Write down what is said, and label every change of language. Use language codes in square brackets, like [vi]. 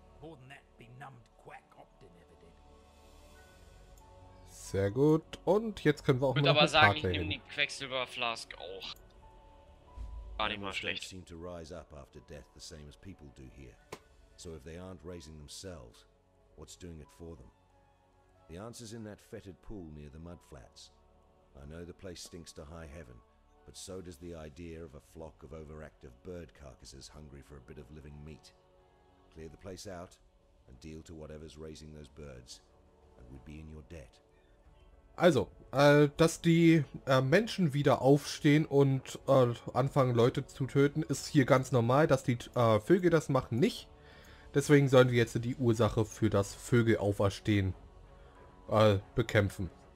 [en] More than that benumbed quack Optin ever did. [de] Sehr gut. Und jetzt können wir auch mal. Ich würde aber sagen, ich nehme die Quecksilberflask auch. War nicht mal schlecht. [en] Seem to rise up after death the same as people do here. So if they aren't raising themselves, what's doing it for them? The answer's in that fetid pool near the mud flats. I know the place stinks to high heaven, but so does the idea of a flock of overactive bird carcasses hungry for a bit of living meat. Clear the place out and deal to whatever's raising those birds, and we'd be in your debt. [de] Also, dass die Menschen wieder aufstehen und anfangen Leute zu töten, ist hier ganz normal, dass die Vögel das machen nicht. Deswegen sollen wir jetzt die Ursache für das Vögelauferstehen bekämpfen.